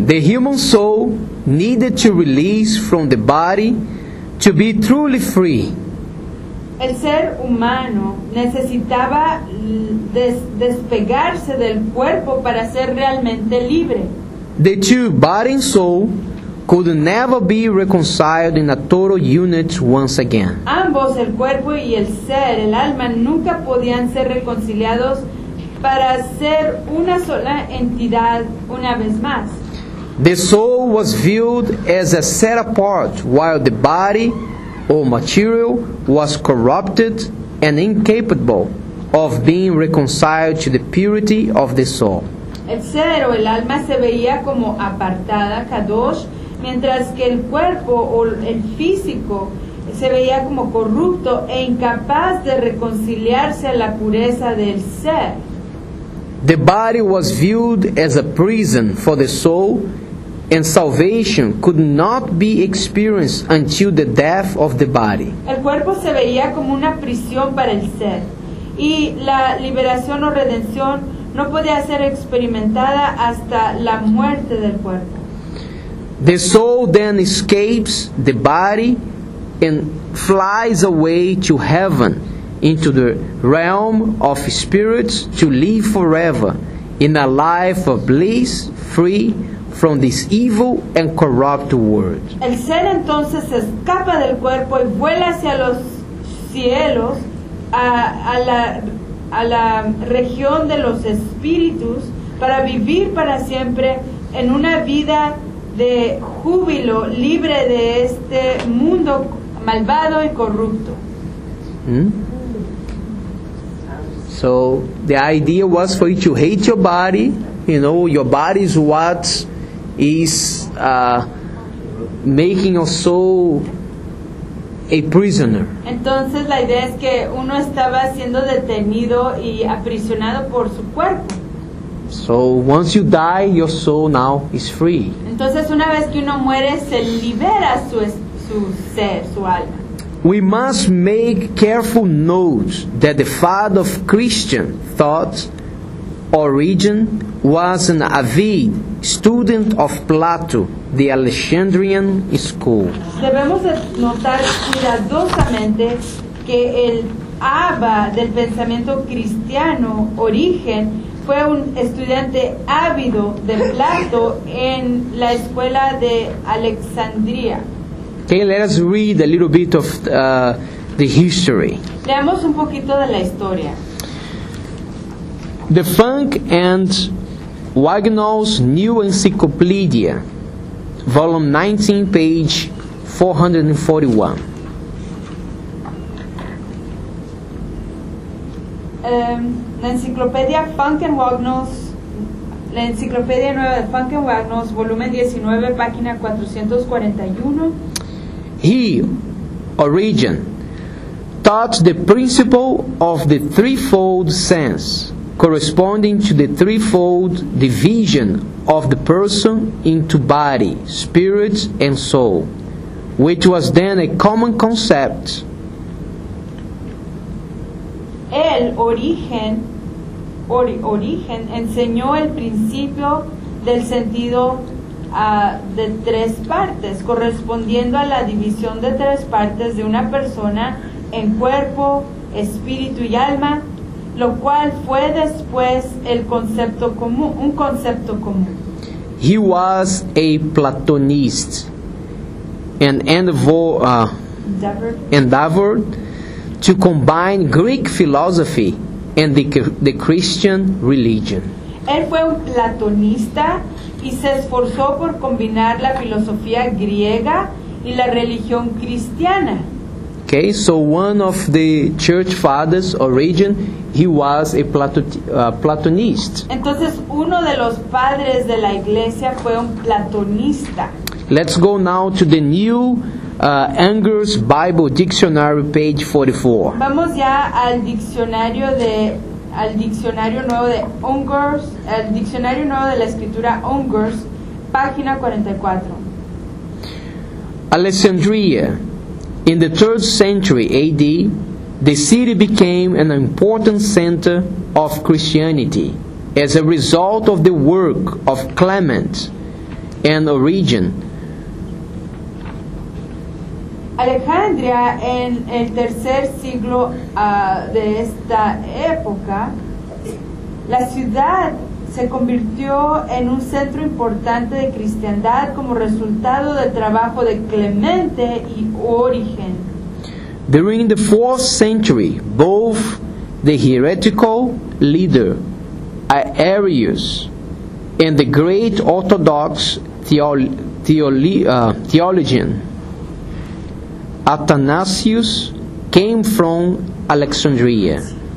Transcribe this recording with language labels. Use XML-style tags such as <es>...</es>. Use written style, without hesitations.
<en>The human soul needed to release from the body to be truly free.</en> <es>El ser humano necesitaba despegarse del cuerpo para ser realmente libre.</es> <en>The two, body and soul, could never be reconciled in a total unit once again.</en> <es>Ambos, el cuerpo y el ser, el alma, nunca podían ser reconciliados para ser una sola entidad una vez más.</es> <en>The soul was viewed as a set apart, while the body or material was corrupted and incapable of being reconciled to the purity of the soul.</en> <es>El ser o el alma se veía como apartada, kadosh, mientras que el cuerpo o el físico se veía como corrupto e incapaz de reconciliarse a la pureza del ser.</es> <en>The body was viewed as a prison for the soul, and salvation could not be experienced until the death of the body.</en> <es>El cuerpo se veía como una prisión para el ser, y la liberación o redención no podía ser experimentada hasta la muerte del cuerpo.</es> <en>The soul then escapes the body and flies away to heaven, into the realm of spirits, to live forever in a life of bliss, free from this evil and corrupt world.</en> <es>El ser entonces escapa del cuerpo y vuela hacia los cielos, a la región de los espíritus, para vivir para siempre en una vida de júbilo, libre de este mundo malvado y corrupto.</es> <en>So the idea was for you to hate your body. You know, your body is what is making a soul a prisoner.</en> <es>Entonces la idea es que uno estaba siendo detenido y aprisionado por su cuerpo.</es> <en>So once you die, your soul now is free.</en> <es>Entonces una vez que uno muere, se libera su ser, su alma.</es> <en>We must make careful notes that the father of Christian thought origin was an avid student of Plato, the Alexandrian school.</en> <es>Debemos notar cuidadosamente que el Abba del pensamiento cristiano, Origen, fue un estudiante ávido de Plato en la escuela de Alexandria.</es> <en>Okay, let us read a little bit of the history.</en> <es>Leamos un poquito de la historia.</es> <en>The Funk and Wagnall's New Encyclopedia, volume 19, page 441.</en> <es>La enciclopedia Funk and Wagnall's, la enciclopedia nueva de Funk and Wagnall's, volumen 19, página 441.</es> <en>He, Origen, taught the principle of the threefold sense, corresponding to the threefold division of the person into body, spirit, and soul, which was then a common concept.</en> <es>El origen, origen enseñó el principio del sentido de tres partes, correspondiendo a la división de tres partes de una persona en cuerpo, espíritu y alma, lo cual fue después el concepto común, un concepto común.</es> <en>He was a Platonist and endeavored to combine Greek philosophy and the Christian religion.</en> <es>Él fue un platonista y se esforzó por combinar la filosofía griega y la religión cristiana.</es> <en>Okay, so one of the church fathers, Origen, he was a Platonist.</en> <es>Entonces, uno de los padres de la iglesia fue un platonista.</es> <en>Let's go now to the new Anger's Bible Dictionary, page 44.</en> <es>Vamos ya al diccionario de al diccionario nuevo de Unger's, el diccionario nuevo de la escritura Unger's, página 44.</es> <en>Alexandria, in the 3rd century AD, the city became an important center of Christianity as a result of the work of Clement and Origen.</en> <es>Alejandría, en el tercer siglo de esta época, la ciudad se convirtió en un centro importante de cristiandad como resultado del trabajo de Clemente y Origen.</es> <en>During the 4th century, both the heretical leader Arius and the great Orthodox theologian Athanasius came from Alexandria.</en>